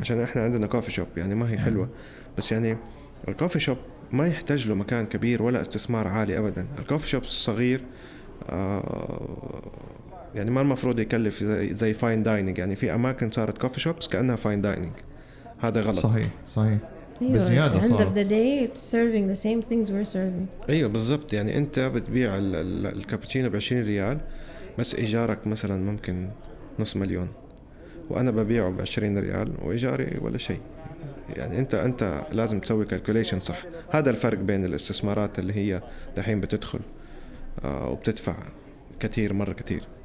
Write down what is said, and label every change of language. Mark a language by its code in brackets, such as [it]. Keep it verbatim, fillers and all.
[ar] عشان احنا عندنا كوفي شوب يعني ما هي حلوة مم. بس يعني الكوفي شوب ما يحتاج له مكان كبير ولا استثمار عالي أبدا الكوفي شوب صغير آه يعني ما المفروض يكلف زي, زي فاين داينينج يعني في أماكن صارت كوفي شوبس كأنها فاين داينينج هذا غلط صحيح صحيح بزيادة صارت. [en] end of the day it's serving the same things we're serving. [ar] أيوة بالضبط يعني أنت بتبيع ال ال الكابتشينو بعشرين ريال بس إيجارك مثلا ممكن نص مليون وأنا ببيعه بعشرين ريال وإيجاري ولا شيء يعني أنت أنت لازم تسوي كالكوليشن صح هذا الفرق بين الاستثمارات اللي هي دحين بتدخل آه وبتدفع كتير مرة كتير.